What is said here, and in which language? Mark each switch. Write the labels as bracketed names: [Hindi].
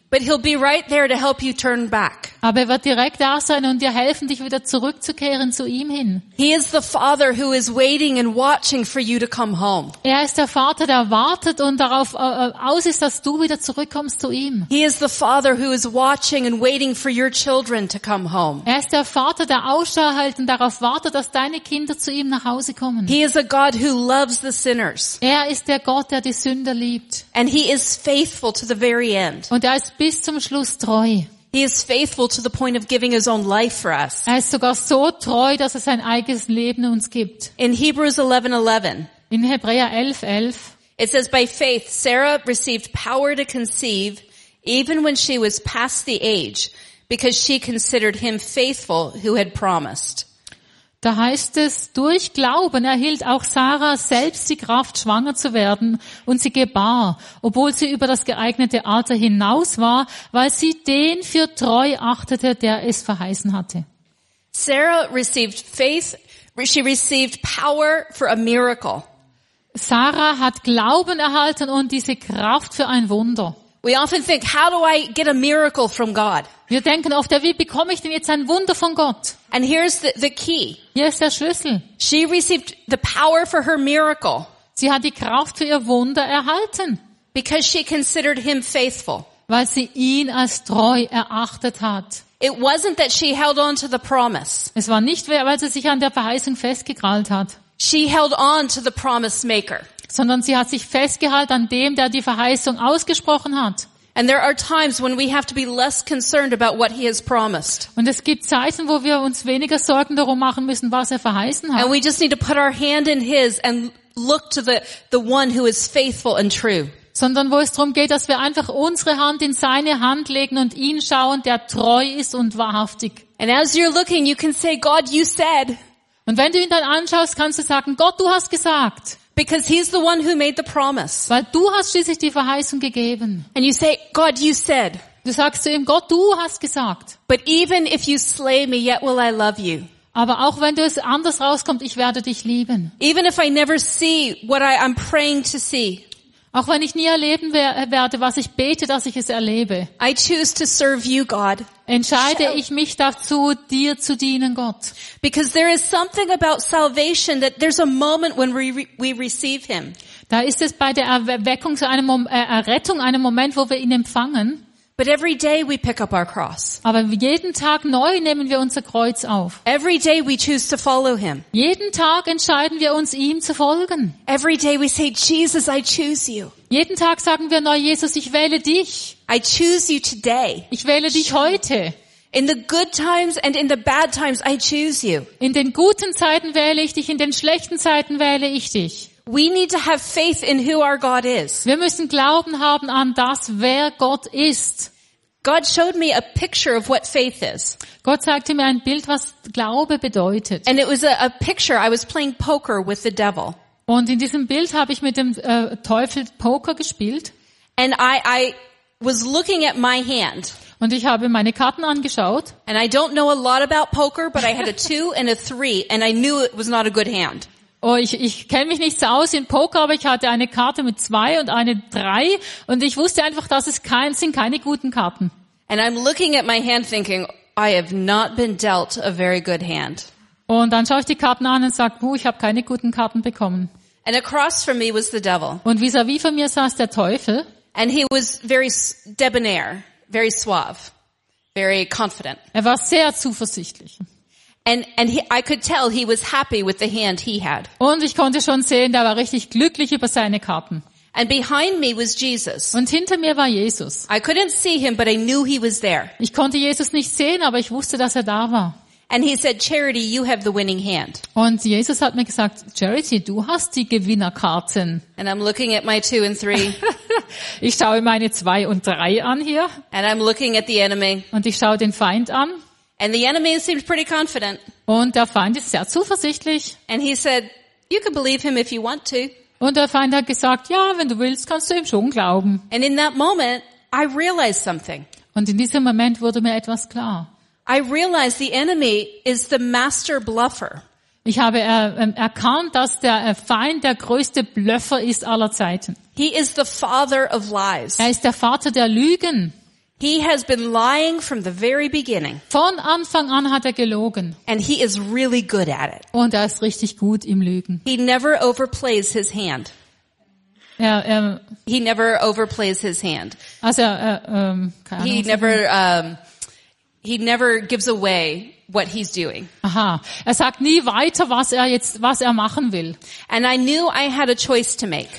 [English] But he'll be right there to help you turn back. [German] Aber er wird direkt da sein und dir helfen, dich wieder zurückzukehren zu ihm hin. [English] He is the father who is waiting and watching for you to come home. [German] Er ist der Vater, der wartet und darauf aus ist, dass du wieder zurückkommst zu ihm. [English] He is the father who is watching and waiting for your children to come home. [German] Er ist der Vater, der Ausschau hält und darauf wartet, dass deine Kinder zu ihm nach Hause kommen. [English] He is a God who loves the sinners. [German] Er ist der Gott, der die Sünder liebt. [English] And he is faithful to the very end. [German] Und er ist bis zum Schluss treu. [English] He is faithful to the point of giving his own life for us. [German] Er ist sogar so treu, dass er sein eigenes Leben uns gibt. [English] In Hebrews 11:11. [German] In Hebräer 11:11. [English] It says by faith Sarah received power to conceive even when she was past the age because she considered him faithful who had promised. [German] Da heißt es, durch Glauben erhielt auch Sarah selbst die Kraft, schwanger zu werden, und sie gebar, obwohl sie über das geeignete Alter hinaus war, weil sie den für treu achtete, der es verheißen hatte. [English] Sarah received faith, she received power for a miracle. [German] Sarah hat Glauben erhalten und diese Kraft für ein Wunder. [English] We often think, how do I get a miracle from God? [German] Wir denken oft, wie bekomme ich denn jetzt ein Wunder von Gott? [English] And here's the key. [German] Hier ist der Schlüssel. [English] She received the power for her miracle. [German] Sie hat die Kraft für ihr Wunder erhalten. [English] Because she considered him faithful. [German] Weil sie ihn als treu erachtet hat. [English] It wasn't that she held on to the promise. [German] Es war nicht, weil sie sich an der Verheißung festgekrallt hat. [English] She held on to the promise maker. [German] Sondern sie hat sich festgehalten an dem, der die Verheißung ausgesprochen hat. [English] And there are times when we have to be less concerned about what he has promised. [German] Und es gibt Zeiten, wo wir uns weniger Sorgen darum machen müssen, was er verheißen hat. [English] And we just need to put our hand in his and look to the one who is faithful and true. [German] sondern wo es darum geht, dass wir einfach unsere Hand in seine Hand legen und ihn schauen, der treu ist und wahrhaftig. [English] And as you're looking, you can say, God, you said. [German] Und wenn du ihn dann anschaust, kannst du sagen, Gott, du hast gesagt. [English] Because he's the one who made the promise. [German] Weil du hast schließlich die Verheißung gegeben. [English] And you say, God, you said. [German] Du sagst zu ihm, Gott, du hast gesagt. [English] But even if you slay me, yet will I love you. [German] Aber auch wenn du es anders rauskommt, ich werde dich lieben. [English] Even if I never see what I'm praying to see. [German] Auch wenn ich nie erleben werde, was ich bete, dass ich es erlebe. [English] I choose to serve you, God. [German] Entscheide ich mich dazu, dir zu dienen, Gott. [English] Because there is something about salvation that there's a moment when we receive him. [German] Da ist es bei der Erweckung zu einem Errettung einen Moment, wo wir ihn empfangen. [English] But every day we pick up our cross. [German] Aber jeden Tag neu nehmen wir unser Kreuz auf. [English] Every day we choose to follow him. [German] Jeden Tag entscheiden wir uns, ihm zu folgen. [English] Every day we say, Jesus, I choose you. [German] Jeden Tag sagen wir neu, Jesus, ich wähle dich. [English] I choose you today. [German] Ich wähle dich heute. [English] In the good times and in the bad times I choose you. [German] In den guten Zeiten wähle ich dich, in den schlechten Zeiten wähle ich dich. [English] We need to have faith in who our God is. [German] Wir müssen Glauben haben an das, wer Gott ist. [English] God showed me a picture of what faith is. [German] Gott zeigte mir ein Bild, was Glaube bedeutet. [English] And it was a picture. I was playing poker with the devil. [German] Und in diesem Bild habe ich mit dem Teufel Poker gespielt. [English] And I was looking at my hand. [German] Und ich habe meine Karten angeschaut. [English] And I don't know a lot about poker, but I had a 2 and a 3 and I knew it was not a good hand. [German] Oh, ich kenne mich nicht so aus in Poker, aber ich hatte eine Karte mit 2 und eine 3 und ich wusste einfach, dass es sind keine guten Karten. [English] And I'm looking at my hand thinking, I have not been dealt a very good hand. [German] Und dann schaue ich die Karten an und sage, ich habe keine guten Karten bekommen. [English] And across from me was the devil. [German] Und vis-à-vis von mir saß der Teufel. [English] And he was very debonair, very suave, very confident. [German] Er war sehr zuversichtlich. [English] And I could tell he was happy with the hand he had. [German] Und ich konnte schon sehen, der war richtig glücklich über seine Karten. [English] And behind me was Jesus. [German] Und hinter mir war Jesus. [English] I couldn't see him, but I knew he was there. [German] Ich konnte Jesus nicht sehen, aber ich wusste, dass er da war. [English] And he said, Charity, you have the winning hand. [German] Und Jesus hat mir gesagt, Charity, du hast die Gewinnerkarten. [English] And I'm looking at my 2 and 3. [German] Ich schaue meine 2 und 3 an hier. [English] And I'm looking at the enemy. [German] Und ich schaue den Feind an. [English] And the enemy seemed pretty confident. [German] Und der Feind ist sehr zuversichtlich. [English] And he said, you can believe him if you want to. [German] Und der Feind hat gesagt, ja, wenn du willst, kannst du ihm schon glauben. [English] And in that moment, I realized something. [German] Und in diesem Moment wurde mir etwas klar. [English] I realized the enemy is the master bluffer. [German] Ich habe erkannt, dass der Feind der größte Blöffer ist aller Zeiten. [English] He is the father of lies. [German] Er ist der Vater der Lügen. [English] He has been lying from the very beginning. [German] Von Anfang an hat er gelogen. [English] And he is really good at it. [German] Und er ist richtig gut im Lügen. [English] He never overplays his hand. He never overplays his hand. [German] Also, keine Ahnung. [English] He never gives away what he's doing. Aha. [German] Er sagt nie weiter, was er machen will. [English] And I knew I had a choice to make.